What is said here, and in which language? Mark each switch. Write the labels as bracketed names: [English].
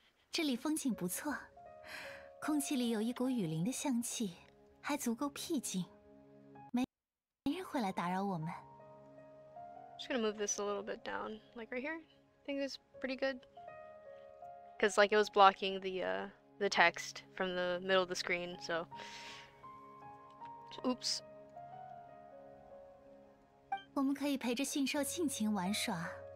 [Chinese] 这里风景不错，空气里有一股雨林的香气，还足够僻静，没人会来打扰我们。 [English] Just gonna move this a little bit down, like right here. I think it's pretty good. Cause like it was blocking the text from the middle of the screen, so. Oops. [Chinese] 我们可以陪着驯兽尽情玩耍。